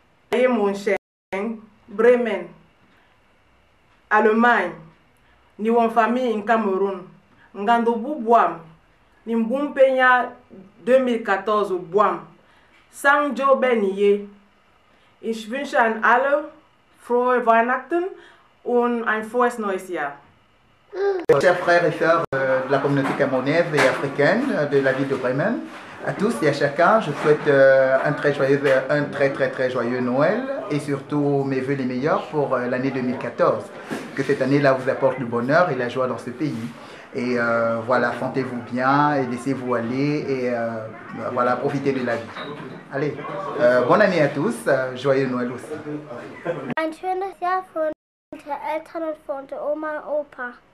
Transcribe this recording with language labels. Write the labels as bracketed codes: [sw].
[de] Hey, München, Bremen, Allemagne, New Family in Cameroun, Ngando Boubouam. Nimbum Peña 2014 Buam. Sangjo Benye. Ich wünsche an alle frohe Weihnachten und ein frohes neues Jahr. [fr] Chers frères et sœurs de la communauté camerounaise et africaine de la ville de Bremen, à tous et à chacun, je souhaite un très très joyeux Noël et surtout mes vœux les meilleurs pour l'année 2014. Que cette année-là vous apporte le bonheur et la joie dans ce pays. Et voilà, sentez-vous bien et laissez-vous aller et voilà, profitez de la vie. Allez, bonne année à tous, joyeux Noël aussi. [de] Ein schönes Jahr für unsere Eltern und für unsere Oma und Opa.